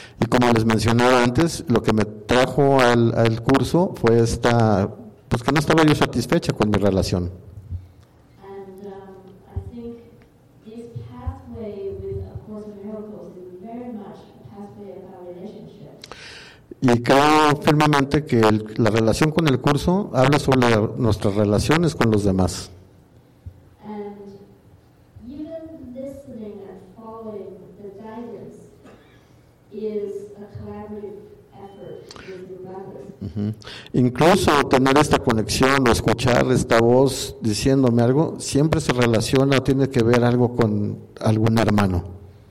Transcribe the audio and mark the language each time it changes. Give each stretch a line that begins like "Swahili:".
Spanish: Y como les mencionaba antes, lo que me trajo al curso fue esta, pues que no estaba yo satisfecha con mi relación.
English: And, I think this pathway with A Course in Miracles is very much a pathway of our relationships.
Spanish: Y creo firmemente que la relación con el curso habla sobre nuestras relaciones con los demás.
English: And even listening and following the guidance is a collaborative effort with the brothers.
Spanish: Incluso tener esta conexión o escuchar esta voz diciéndome algo siempre se relaciona o tiene que ver algo con algún hermano.